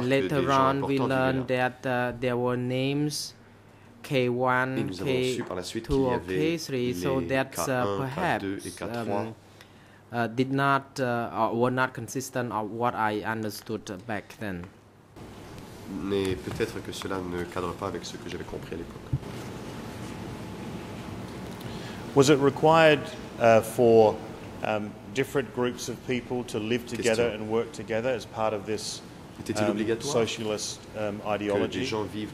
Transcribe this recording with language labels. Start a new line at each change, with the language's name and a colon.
English: and later on we learned that there were names K1, K2, or K3, so that's perhaps did not were not consistent of what I understood back then.
French: Mais peut-être que cela ne cadre pas avec ce que j'avais compris à l'époque.
English: Was it required for different groups of people to live together and work together as part of this socialist ideology?